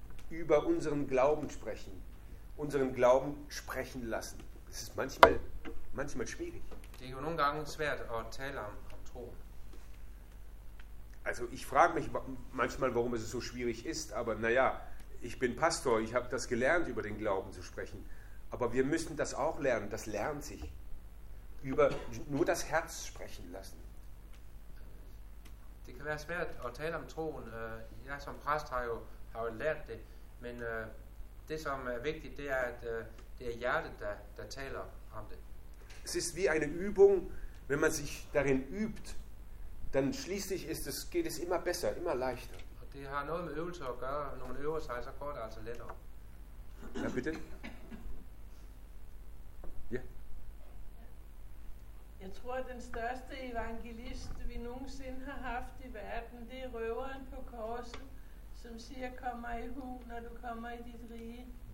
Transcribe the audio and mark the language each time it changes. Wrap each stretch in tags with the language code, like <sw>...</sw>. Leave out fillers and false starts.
<de>Über unseren Glauben sprechen, unseren Glauben sprechen lassen. Das ist manchmal schwierig.</de> <da>Det er jo nogle gange svært at tale om troen.</da> <de>Also ich frage mich manchmal, warum es so schwierig ist, aber naja, ich bin Pastor, ich habe das gelernt, über den Glauben zu sprechen. Aber wir müssen das auch lernen, das lernt sich. Über nur das Herz sprechen lassen.</de> <da>Det kan være svært at tale om troen. Jeg som præst har jo lært det, men det som er vigtigt, det er, at det er hjertet, der taler om det.</da> <de>Es ist wie eine Übung, wenn man sich darin übt, dann schließlich geht es immer besser, immer leichter.</de> <da>Og det har noget med øvelse at gøre. Når man øver sig, så går det altså lettere.</da> <de>Ja, bitte.</de> <da>Jeg tror, at den største evangelist, vi nogensinde har haft i verden, det er røveren på korset, som siger, kom mig i hu, når du kommer i dit rige.</da>